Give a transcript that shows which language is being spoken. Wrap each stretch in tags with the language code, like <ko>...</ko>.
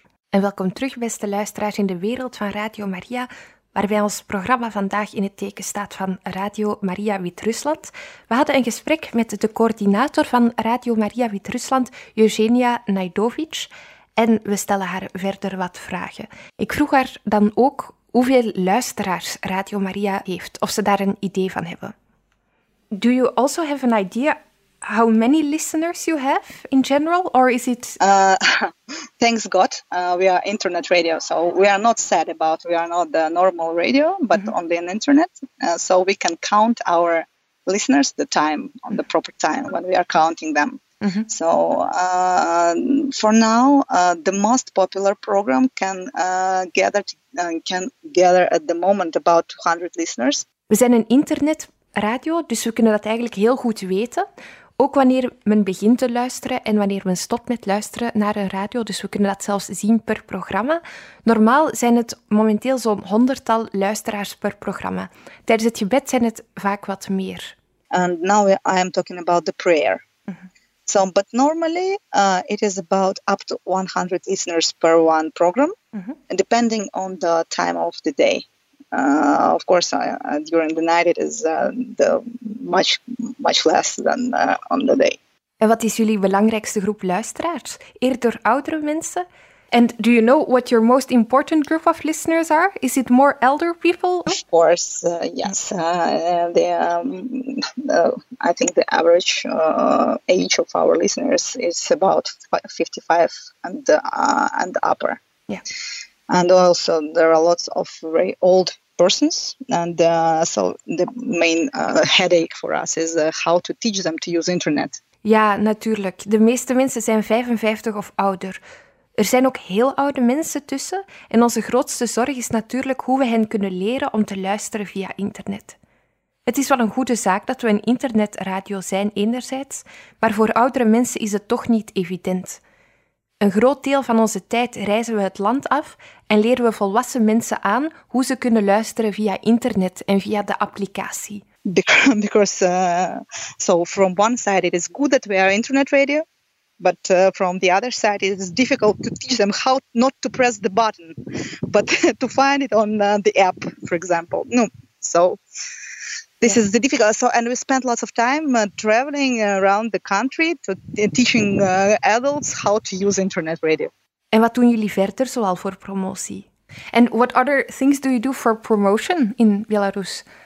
<nl>En welkom terug, beste luisteraars in de wereld van Radio Maria, waarbij ons programma vandaag in het teken staat van Radio Maria Wit-Rusland. We hadden een gesprek met de coördinator van Radio Maria Wit-Rusland, Eugenia Najdovic, en we stellen haar verder wat vragen. Ik vroeg haar dan ook hoeveel luisteraars Radio Maria heeft, of ze daar een idee van hebben.</nl> <en>Do you also have an idea how many listeners you have in general, or is it... Thanks God, we are internet radio, so we are not sad about, we are not the normal radio, but mm-hmm. only on internet, so we can count our listeners the time, on the proper time when we are counting them. Mm-hmm. So for now, the most popular program can gather at the moment about 200 listeners.</en> <nl>We zijn een internet radio, dus we kunnen dat eigenlijk heel goed weten. Ook wanneer men begint te luisteren en wanneer men stopt met luisteren naar een radio. Dus we kunnen dat zelfs zien per programma. Normaal zijn het momenteel zo'n 100 luisteraars per programma. Tijdens het gebed zijn het vaak wat meer.</nl> <en>And now I am talking about the prayer. So, but normally it is about up to 100 listeners per one program, mm-hmm. depending on the time of the day. Of course, during the night it is much less than on the day.</en> <nl>En wat is jullie belangrijkste groep luisteraars? Eerder oudere mensen?</nl> <en>And do you know what your most important group of listeners are? Is it more elder people? Of course, yes. I think the average age of our listeners is about 55 and upper. Yeah. And also there are lots of very old persons. And so the main headache for us is how to teach them to use internet.</en> <nl>Ja, natuurlijk. De meeste mensen zijn 55 of ouder. Er zijn ook heel oude mensen tussen en onze grootste zorg is natuurlijk hoe we hen kunnen leren om te luisteren via internet. Het is wel een goede zaak dat we een internetradio zijn enerzijds, maar voor oudere mensen is het toch niet evident. Een groot deel van onze tijd reizen we het land af en leren we volwassen mensen aan hoe ze kunnen luisteren via internet en via de applicatie.</nl> <en>Because so from one side it is good that we are internet radio. But from the other side, it is difficult to teach them how not to press the button, but to find it on the app, for example. No, so this is the difficult. So, and we spent lots of time traveling around the country to teaching adults how to use internet radio.</en> <nl>En wat doen jullie verder zoal voor promotie?</nl> <en>And what other things do you do for promotion in Belarus?</en>